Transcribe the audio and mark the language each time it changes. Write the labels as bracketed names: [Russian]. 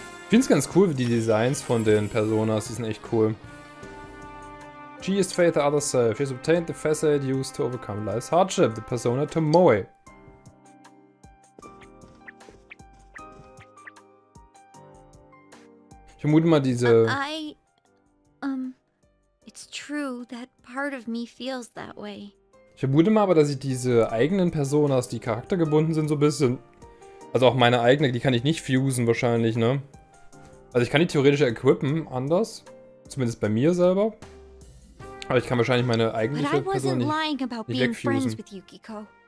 [German] Ich find's ganz cool, die Designs von den Personas, die sind echt cool. [English] She is faith the other self. She has obtained the facet used to overcome life's hardship, the persona Tomoe. [German] Ich vermute mal diese... [English] It's true, that part of me feels that way. [German] Ich vermute mal aber, dass ich diese eigenen Personas, die charaktergebunden sind, so ein bisschen... Also auch meine eigene, die kann ich nicht fusen wahrscheinlich, ne? Also ich kann die theoretisch equippen, anders. Zumindest bei mir selber. Aber ich kann wahrscheinlich meine eigentliche Person nicht wegfusen.